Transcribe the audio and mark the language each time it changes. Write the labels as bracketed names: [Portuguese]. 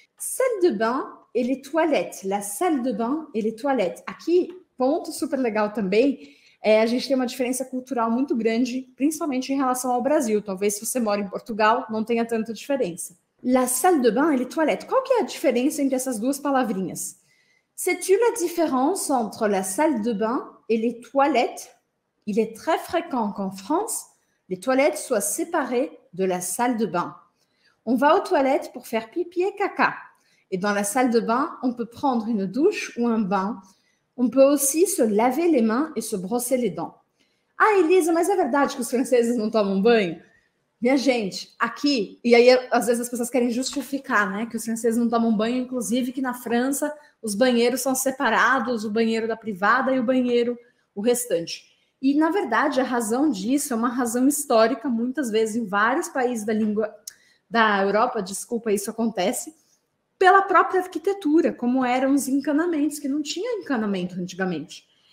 [French] Salle de bain et les toilettes. La salle de bain et les toilettes. [Portuguese] Aqui, ponto super legal também, a gente tem uma diferença cultural muito grande, principalmente em relação ao Brasil. Talvez se você mora em Portugal, não tenha tanta diferença. [French] La salle de bain et les toilettes. [Portuguese] Qual que é a diferença entre essas duas palavrinhas? [French] Sais-tu la différence entre la salle de bain et les toilettes? Il est très fréquent qu'en France, les toilettes soient séparées de la salle de bain. On va aux toilettes pour faire pipi et caca. Et dans la salle de bain, on peut prendre une douche ou un bain. On peut aussi se laver les mains et se brosser les dents. [Portuguese] Ah, Elisa, mas é verdade que os franceses não tomam banho? Minha gente, aqui... E aí, às vezes, as pessoas querem justificar, né? Que os franceses não tomam banho, inclusive que na França os banheiros são separados, o banheiro da privada e o banheiro, o restante. E, na verdade, a razão disso é uma razão histórica. Muitas vezes, em vários países da Europa, desculpa, isso acontece, pela própria arquitetura, como eram os encanamentos, que não tinha encanamento antigamente.